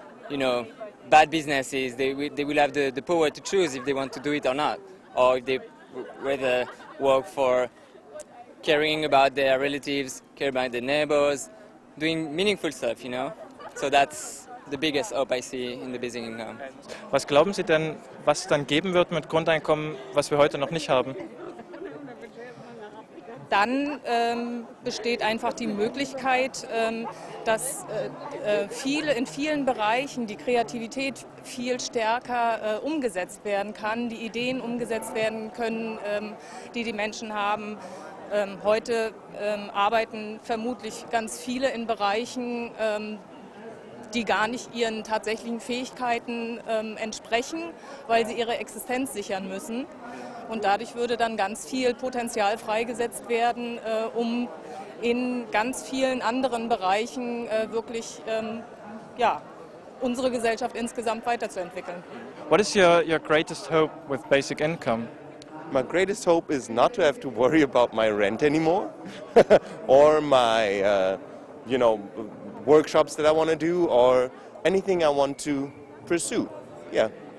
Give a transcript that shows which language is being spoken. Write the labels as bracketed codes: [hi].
[en] you know, bad businesses, they will have the power to choose if they want to do it or not, or if they rather work for caring about their relatives, care about their neighbors, doing meaningful stuff, you know. So that's the biggest hope I see in the basic income. [de] Was glauben Sie denn, was dann geben wird mit Grundeinkommen, was wir heute noch nicht haben? Dann besteht einfach die Möglichkeit, dass in vielen Bereichen die Kreativität viel stärker umgesetzt werden kann, die Ideen umgesetzt werden können, die Menschen haben. Heute arbeiten vermutlich ganz viele in Bereichen, die gar nicht ihren tatsächlichen Fähigkeiten entsprechen, weil sie ihre Existenz sichern müssen. Und dadurch würde dann ganz viel Potenzial freigesetzt werden, um in ganz vielen anderen Bereichen wirklich ja, unsere Gesellschaft insgesamt weiterzuentwickeln. [en] What is your greatest hope with basic income? My greatest hope is not to have to worry about my rent anymore or my you know, workshops that I want to do or anything I want to pursue. Yeah.